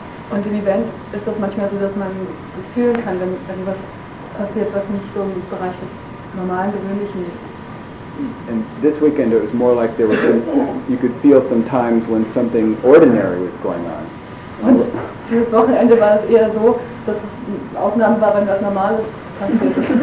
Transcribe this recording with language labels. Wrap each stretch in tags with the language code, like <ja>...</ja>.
<de>Und im Event ist das manchmal so, dass man fühlen kann, wenn was passiert, was nicht so im Bereich des normalen, gewöhnlichen ist.</de> <en>And this weekend it was more like there was you could feel sometimes when something ordinary was going on.</en> <de>Und dieses Wochenende war es eher so, dass es Ausnahmen war, wenn was Normales passiert.</de>